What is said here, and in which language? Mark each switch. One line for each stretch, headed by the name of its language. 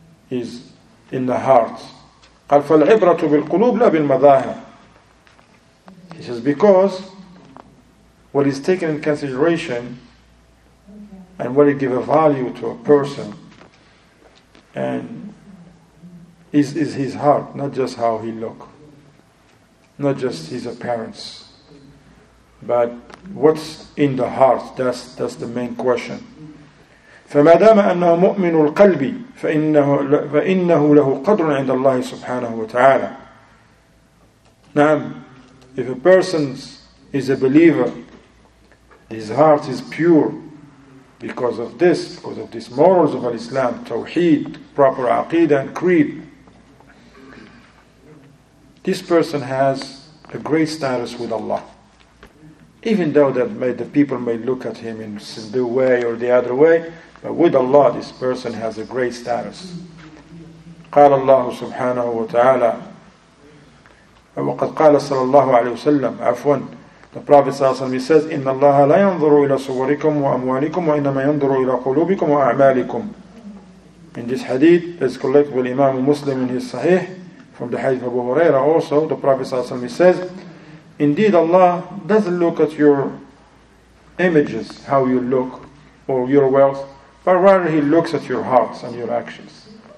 English: Is in the heart.
Arabic: قَلْ فَالْعِبْرَةُ بِالْقُلُوبِ لَا بِالْمَظَاهِرِ.
English: He says, because what is taken in consideration and what it give a value to a person and is his heart, not just how he look, not just his appearance, but what's in the heart. That's the main question.
Arabic: فما دام أنه مؤمن القلب فإنه له قدر عند الله سبحانه وتعالى.
English: نعم, if a person is a believer, his heart is pure. Because of these morals of Islam, Tawheed, proper Aqeedah and Creed, this person has a great status with Allah. Even though the people may look at him in the way or the other way, but with Allah this person has a great status.
Arabic: قال الله سبحانه وتعالى وقد قال صلى الله عليه وسلم عفوا.
English: The Prophet ﷺ says,
Arabic: إِنَّ اللَّهَ لَا يَنْظُرُ إِلَى صُوَرِكُمْ وَأَمْوَالِكُمْ وَإِنَّمَا يَنْظُرُ إِلَى قُلُوبِكُمْ وَأَعْمَالِكُمْ.
English: In this hadith, as collected by Imam Muslim in his Sahih, from the hadith of Abu Huraira also, the Prophet ﷺ says, Indeed, Allah doesn't look at your images, how you look, or your wealth, but rather He looks at your hearts and your actions.